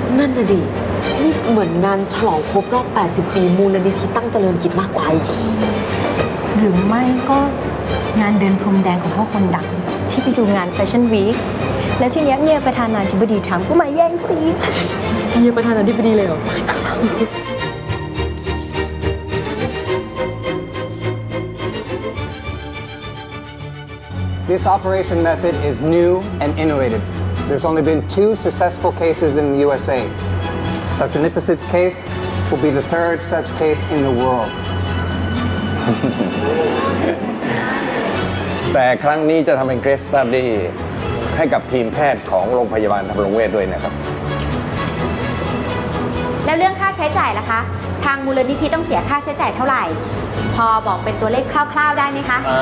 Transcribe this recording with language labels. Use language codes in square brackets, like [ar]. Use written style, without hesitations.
[th] นั่นน่ะดินี่เหมือนงานฉลองครบรอบ80ปีมูลนิธิตั้งเจริญกิจมากกว่าอีกหรือไม่ก็งานเดินพรมแดงของพ่อคนดังที่ไปดูงานเซสชั่นวีคแล้วทีนี้เมียประธานาธิบดีทรัมป์ก็มาแย่งซีน เมียประธานาธิบดีเลยเหร [en] อ This operation method is new and innovative. There's only been two successful cases in the USA. Dr. Nipisit's case will be the third such case in the world. [th] แต่ครั้งนี้จะทำเป็นเคสสตัดดี้ให้กับทีมแพทย์ของโรงพยาบาลธรรมรงเวชด้วยนะครับ แล้วเรื่องค่าใช้จ่ายล่ะคะทางมูลนิธิต้องเสียค่าใช้จ่ายเท่าไหร่พอบอกเป็นตัวเลขคร่าวๆได้ไหมคะ